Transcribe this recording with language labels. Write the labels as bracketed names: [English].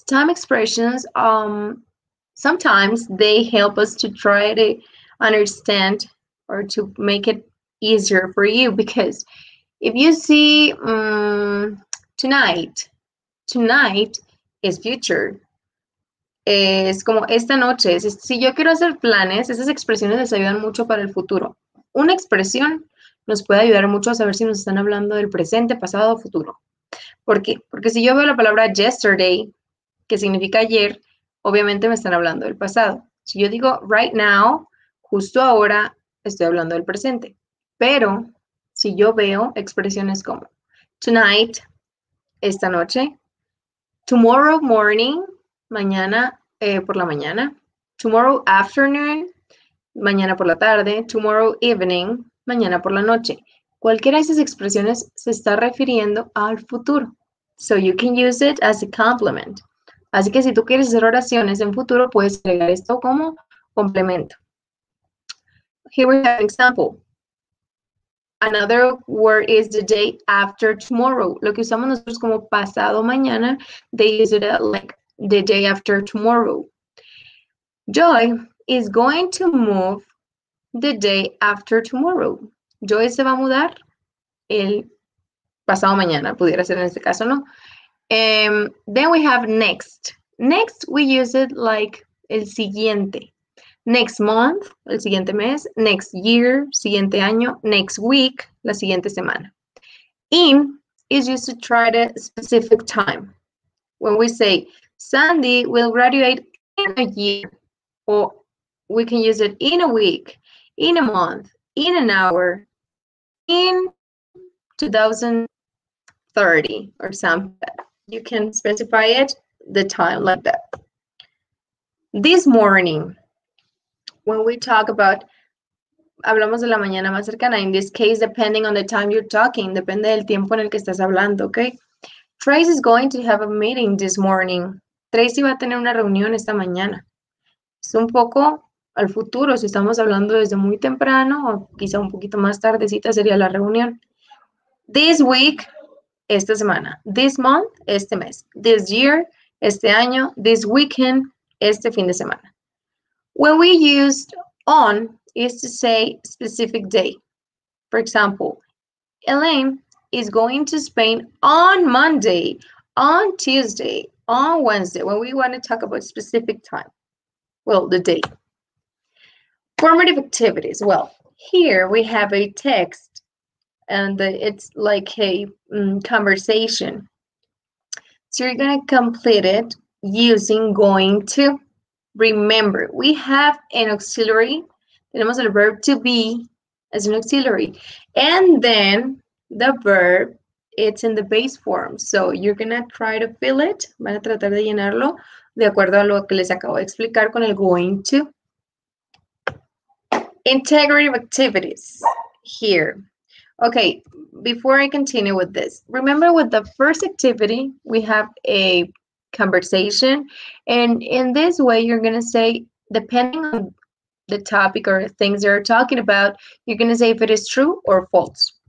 [English] Time expressions, sometimes they help us to try to understand or to make it easier for you, because if you see tonight, tonight is future. [Spanish] Es como esta noche. Si yo quiero hacer planes, esas expresiones les ayudan mucho para el futuro. Una expresión nos puede ayudar mucho a saber si nos están hablando del presente, pasado o futuro. ¿Por qué? Porque si yo veo la palabra yesterday, que significa ayer, obviamente me están hablando del pasado. Si yo digo [English] right now, [Spanish] justo ahora, estoy hablando del presente. Pero si yo veo expresiones como tonight, esta noche, [English] tomorrow morning, [Spanish] mañana por la mañana, [English] tomorrow afternoon, [Spanish] mañana por la tarde, [English] tomorrow evening, [Spanish] mañana por la noche. Cualquiera de esas expresiones se está refiriendo al futuro. [English] So you can use it as a complement. [Spanish] Así que si tú quieres hacer oraciones en futuro, puedes agregar esto como complemento. [English] Here we have an example. Another word is the day after tomorrow. [Spanish] Lo que usamos nosotros como pasado mañana, [English] they use it like the day after tomorrow. Joy is going to move the day after tomorrow. [Spanish] Joy se va a mudar el pasado mañana, pudiera ser en este caso, ¿no? [English] Then we have next. Next, we use it like [Spanish] el siguiente. [English] Next month, [Spanish] el siguiente mes. [English] Next year, [Spanish] siguiente año. [English] Next week, [Spanish] la siguiente semana. [English] In is used to try the specific time. When we say, Sandy will graduate in a year, or we can use it in a week, in a month, in an hour, in 2030 or something. You can specify it, the time like that. This morning, when we talk about, [Spanish] hablamos de la mañana más cercana, [English] in this case, depending on the time you're talking, [Spanish] depende del tiempo en el que estás hablando, [English] okay? Trace is going to have a meeting this morning. [Spanish] Tracy va a tener una reunión esta mañana. Es un poco al futuro, si estamos hablando desde muy temprano o quizá un poquito más tardecita sería la reunión. [English] This week, [Spanish] esta semana. [English] This month, [Spanish] este mes. [English] This year, [Spanish] este año. [English] This weekend, [Spanish] este fin de semana. [English] When we used on is to say specific day. For example, Elaine is going to Spain on Monday, on Tuesday, on Wednesday, when we want to talk about specific time, well, the date. Formative activities. Well, here we have a text, and it's like a conversation. So you're going to complete it using going to. Remember, we have an auxiliary. [Spanish] Tenemos el [English] verb to be as an auxiliary. And then the verb, it's in the base form. So you're going to try to fill it. [Spanish] Van a tratar de llenarlo de acuerdo a lo que les acabo de explicar con el going to. [English] Integrative activities here. Okay, before I continue with this, remember with the first activity, we have a conversation. And in this way, you're going to say, depending on the topic or things they're talking about, you're going to say if it is true or false.